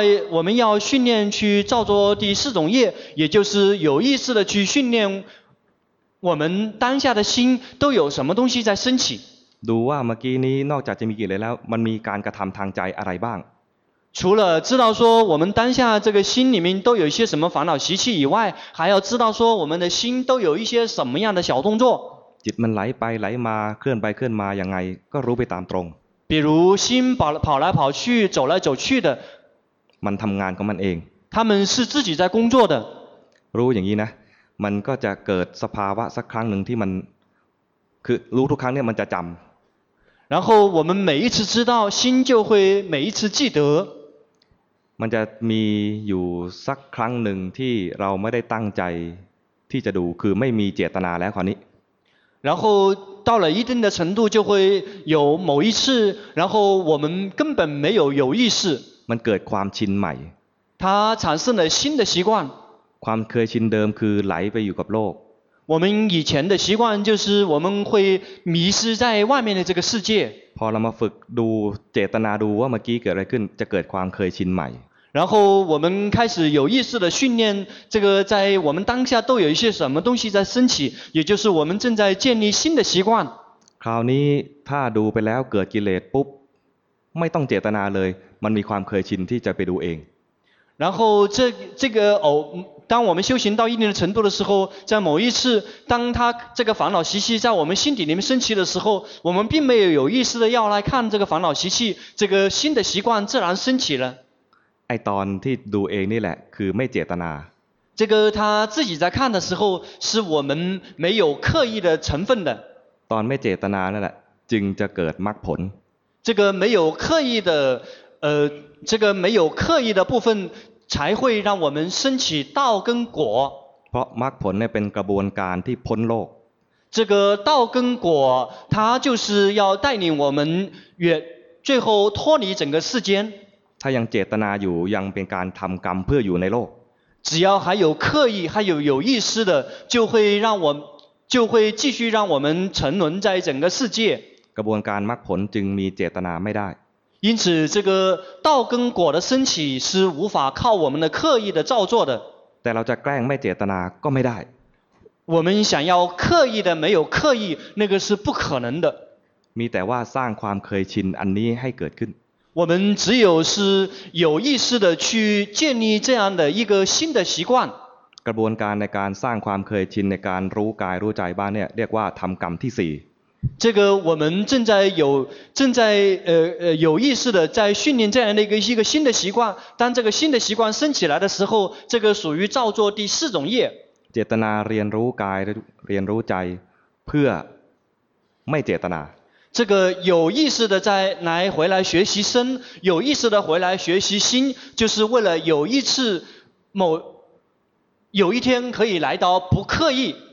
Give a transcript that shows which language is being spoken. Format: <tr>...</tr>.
<zh>我们要训练去造作第四种业也就是有意识的去训练我们当下的心都有什么东西在升起</zh> <th>ดูว่าเมื่อกี้นี้นอกจากจะมีกิเลสแล้วมันมีการกระทำทางใจอะไรบ้าง</th> <zh>除了知道说我们当下这个心里面都有一些什么烦恼习气以外还要知道说我们的心都有一些什么样的小动作</zh> <th>จิตมันไหลไปไหลมาเคลื่อนไปเคลื่อนมายังไงก็รู้ไปตามตรง</th> <zh>比如心跑来跑去走来走去的</zh> <th>มันทำงานของมันเอง</th> <zh>他们是自己在工作的</zh> <th>รู้อย่างนี้นะมันก็จะเกิดสภาวะสักครั้งนึงที่มันคือรู้ทุกครั้งเนี่ยมันจะจำ</th> <zh>然后我们每一次知道心就会每一次记得</zh> <th>มันจะมีอยู่สักครั้งหนึ่งที่เราไม่ได้ตั้งใจที่จะดูคือไม่มีเจตนาแล้วคราวนี้</th> <zh>然后到了一定的程度就会有某一次然后我们根本没有有意识</zh> <th>มันเกิดความชินใหม่</th> <zh>它产生了新的习惯</zh> <th>ความเคยชินเดิมคือไหลไปอยู่กับโลก</th> <zh>我们以前的习惯就是我们会迷失在外面的这个世界</zh> <th>พอเรามาฝึกดูเจตนาดูว่าเมื่อกี้เกิดอะไรขึ้นจะเกิดความเคยชินใหม่</th> <zh>然后我们开始有意识的训练这个在我们当下都有一些什么东西在升起也就是我们正在建立新的习惯</zh> <th>คราวนี้ถ้าดูไปแล้วเกิดกิเลสปุ๊บไม่ต้องเจตนาเลยมันมีความเคยชินที่จะไปดูเอง</th> <zh>然后这个当我们修行到一定的程度的时候在某一次当他这个烦恼习气在我们心底里面升起的时候我们并没有有意识的要来看这个烦恼习气这个新的习惯自然升起了</zh> <th>ไอ้ตอนที่ดูเองนี่แหละคือไม่เจตนา</th> <zh>这个他自己在看的时候是我们没有刻意的成分的</zh> <th>ตอนไม่เจตนานั่นแหละจึงจะเกิดมรรคผล</th> <zh>这个没有刻意的这个没有刻意的部分才会让我们升起道跟果</zh> <th>พราะมรรคผลเนี่ยเป็นกระบวนการที่พ้นโลก</th> <zh>这个道跟果它就是要带领我们越最后脱离整个世间</zh> <th>ถ้ายังเจตนาอยู่ยังเป็นการทำกรรมเพื่ออยู่ในโลก</th> <zh>只要还有刻意还有有意识的就会让我就会继续让我们沉沦在整个世界</zh> <th>กระบวนการมรรคผลจึงมีเจตนาไม่ได้</th> <zh>因此这个道跟果的升起是无法靠我们的刻意的造作的</zh> <th>แต่เราจะแกล้งไม่เจตนาก็ไม่ได้</th> <zh>我们想要刻意的没有刻意那个是不可能的</zh> <th>มีแต่ว่าสร้างความเคยชินอันนี้ให้เกิดขึ้น</th> <zh>我们只有是有意识的去建立这样的一个新的习惯</zh> <th>กระบวนการในการสร้างความเคยชินในการรู้กายรู้ใจบ้างเนี่ยเรียกว่าทำกรรมที่สี่</th> <zh>这个我们正在有正在有意识的在训练这样的一个新的习惯当这个新的习惯升起来的时候这个属于造作第四种业</zh> <th>เจตนาเรียนรู้กายเรียนรู้ใจเพื่อไม่เจตนา</th> <zh>这个有意识的再来回来学习身有意识的回来学习心就是为了有一次某有一天可以来到不刻意</zh>